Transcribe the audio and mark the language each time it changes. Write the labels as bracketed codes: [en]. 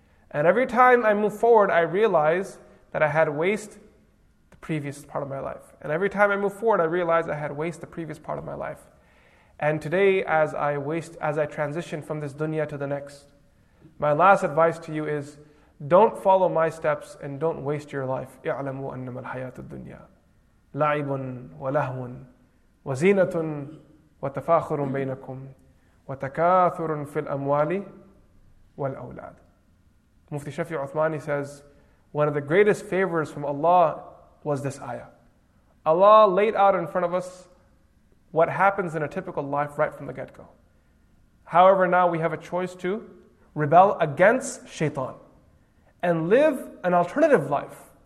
[en] And every time I move forward, I realize that I had wasted the previous part of my life. And every time I move forward, I realize I had wasted the previous part of my life. And today, as I transition from this dunya to the next, my last advice to you is, don't follow my steps and don't waste your life. [ar] اعلموا أنما الحياة الدنيا لعب ولهو وزينة وتفاخر بينكم وتكاثر في الأموال والأولاد. [en] Mufti Shafi Uthmani says, one of the greatest favors from Allah was this ayah. Allah laid out in front of us what happens in a typical life right from the get-go. However, now we have a choice to rebel against shaitan and live an alternative life.